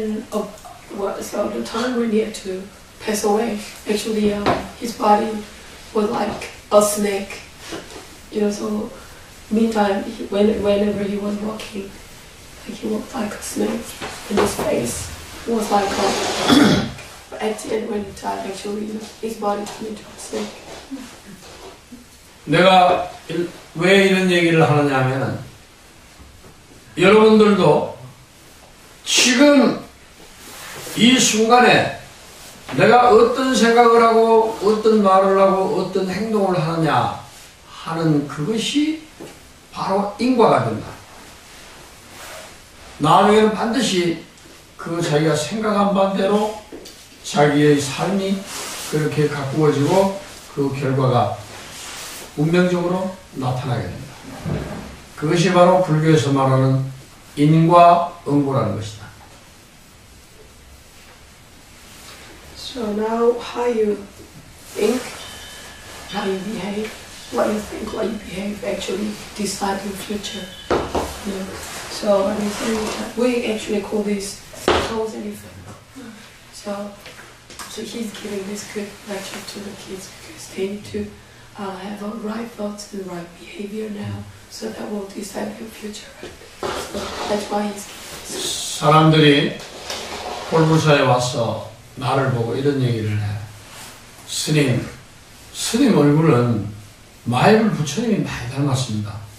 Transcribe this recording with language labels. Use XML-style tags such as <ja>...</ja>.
<en>So the time when he had to pass away, actually his body was like a snake, you know, so meantime, whenever he was walking, like he walked like a snake, and his face was like a snake. At the end, when he died, actually, his body turned into a snake.</en> <ko>내가 왜 이런 얘기를 하느냐면, 여러분들도 지금 이 순간에 내가 어떤 생각을 하고 어떤 말을 하고 어떤 행동을 하느냐 하는 그것이 바로 인과가 된다. 나중에는 반드시 그 자기가 생각한 반대로 자기의 삶이 그렇게 가꾸어지고 그 결과가 운명적으로 나타나게 된다. 그것이 바로 불교에서 말하는 인과응보라는 것이다.</ko> <en>So now, how you think, how you behave, what you think, what you behave, actually decide your future. You know? So I mean, we actually call this cause and effect. So he's giving this good lecture to the kids because they need to have the right thoughts and right behavior now, so that will decide your future. So that's why he's giving this.</en> <ko>사람들이 홀부사에 왔어. 나를 보고 이런 얘기를 해. 스님 얼굴은 마이블 부처님이 많이 닮았습니다.</ko>